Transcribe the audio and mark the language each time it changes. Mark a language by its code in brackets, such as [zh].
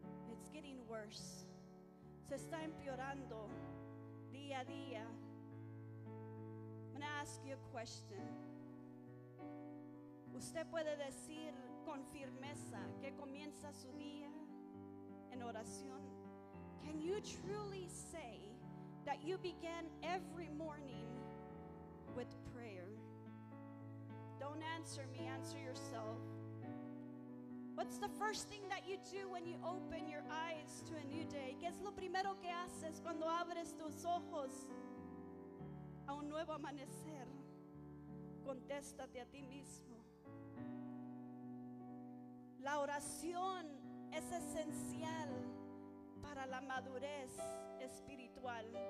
[en] It's getting worse. [es] Se está empeorando día a día. [en] I'm going to ask you a question. [es] ¿Usted puede decir con firmeza que comienza su día en oración? [en] Can you truly say that you begin every morning with prayer? Don't answer me, answer yourself. What's the first thing that you do when you open your eyes to a new day? [es] ¿Qué es lo primero que haces cuando abres tus ojos a un nuevo amanecer? Contéstate a ti mismo. La oración es esencial para la madurez espiritual.